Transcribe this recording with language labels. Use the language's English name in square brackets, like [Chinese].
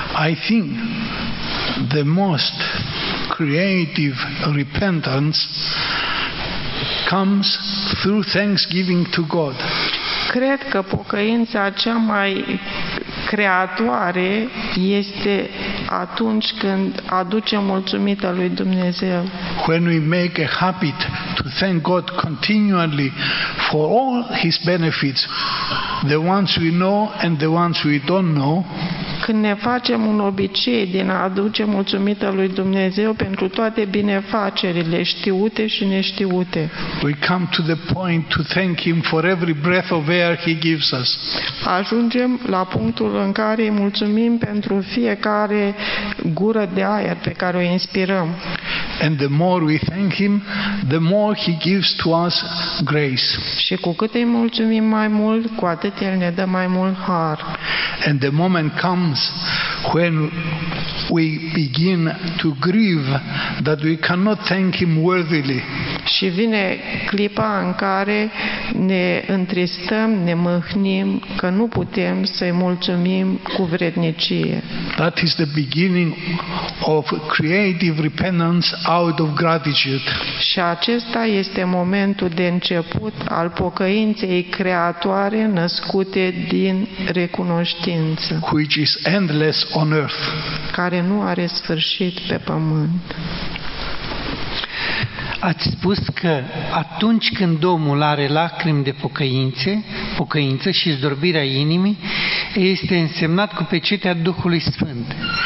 [English] I think the most creative repentance comes through thanksgiving to God. [Romanian] Cred că pocăința cea mai creatoare este atunci când aducem mulțumită lui Dumnezeu. [English] When we make a habit to thank God continually for all his benefits, the ones we know and the ones we don't know. [Romanian] Când ne facem un obicei din a aduce mulțumită lui Dumnezeu pentru toate binefacerile știute și neștiute. [English] We come to the point to thank him for every breath of air he gives us. [Romanian] Ajungem la punctul în care îi mulțumim pentru fiecare gură de aer pe care o inspirăm. [English] And the more we thank him, the more he gives to us grace. [Romanian] Și cu cât îi mulțumim mai mult, cu atât el ne dă mai mult har. [English] And the moment comes when we begin to grieve that we cannot thank him worthily. [Romanian] Și vine clipa în care ne întristăm, ne mâhnim că nu putem să-i mulțumim cu vrednicie. [English] That is the beginning of creative repentance out of gratitude. [Romanian] Și acesta este momentul de început al pocăinței creatoare născute din recunoștință. [English] Which is endless on earth. [Romanian] Care nu are sfârșit pe pământ. Ați spus că atunci când omul are lacrimi de pocăință și zdrobirea inimii, este însemnat cu pecetea Duhului Sfânt.